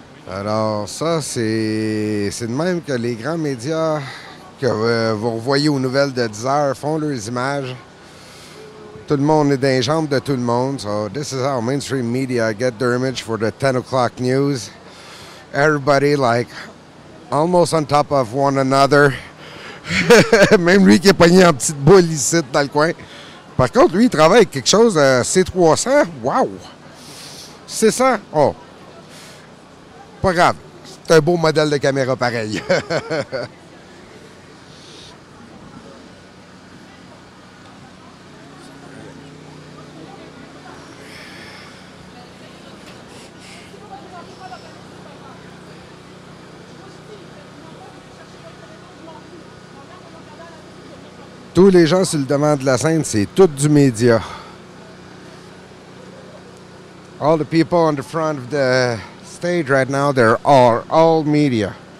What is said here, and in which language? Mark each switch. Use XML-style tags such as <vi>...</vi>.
<fr>Alors, ça, c'est de même que les grands médias que vous revoyez aux nouvelles de 10 heures font leurs images. Tout le monde est dans les jambes de tout le monde.</fr> <en>So, this is how mainstream media get their image for the 10 o'clock news. Everybody, like, almost on top of one another.</en> <fr>Même lui qui est pogné en petite boule ici, dans le coin. Par contre, lui, il travaille avec quelque chose à C300. Wow! C'est ça? Oh! Pas grave, c'est un beau modèle de caméra pareil. Tous les gens sur le devant de la scène, c'est tout du média.</fr> <en>All the people on the front of the stage right now, they're all media.</en>